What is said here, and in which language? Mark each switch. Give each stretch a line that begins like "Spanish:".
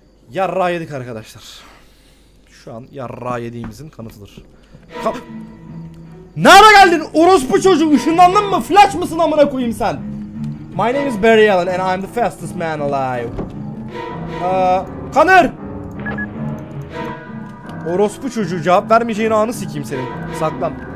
Turkish: Yarrağı yedik arkadaşlar. Şu an yarrağı yediğimizin kanıtıdır. Nereye geldin orospu çocuğu? Işınlandın mı? Flash mısın amına koyayım sen?
English: My name is Barry Allen and I'm the fastest man alive. Connor!
Turkish: Orospu çocuğu, cevap vermeyeceğin anı sikeyim seni. Saklan.